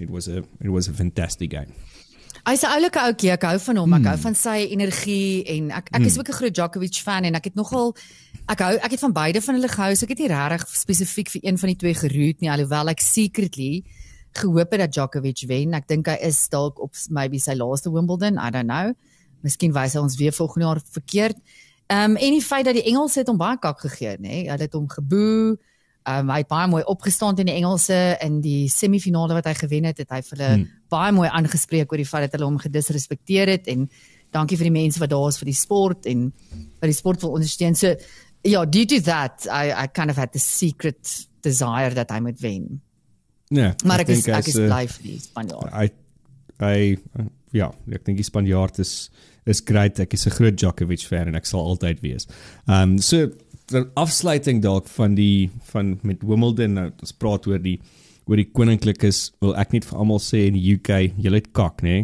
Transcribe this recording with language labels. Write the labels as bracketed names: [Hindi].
[English] It was a fantastic game. [Afrikaans] Hy is 'n oulike oukie, ek hou van hom, ek hou van sy energie, en ek is ook 'n groot Djokovic fan, en ek het van beide van hulle gehou, so ek het nie rarig spesifiek vir een van die twee geroot nie, alhoewel ek secretly gehoop het dat Djokovic wen. Ek dink hy is dalk op maybe sy laaste Wimbledon, [English] I don't know. [Afrikaans] Miskien wys hy ons weer volgende jaar verkeerd. En die feit dat die Engelse het hom baie kak gegee, nee, hulle het hom geboe, hy het baie mooi opgestaan in die Engelse, in die semifinale wat hy gewen het hy vir hulle baie mooi aangespreek oor die feit dat hulle hom gedisrespekteer het, en dankie vir die mense wat daar is vir die sport en vir die sport wil ondersteun. [English] So, ja, due to that, I kind of had the secret desire [Afrikaans] dat hy moet wen. Yeah, maar ek is bly vir die Spanjaard. Ek dink die Spanjaard is great. Ek is 'n groot Djokovic fan en ek sal altyd wees. So, die afsluiting dalk van met Wimbledon, nou, ons praat oor die koninklikes, wil ek net vir almal sê in die UK, jy het kak, nee?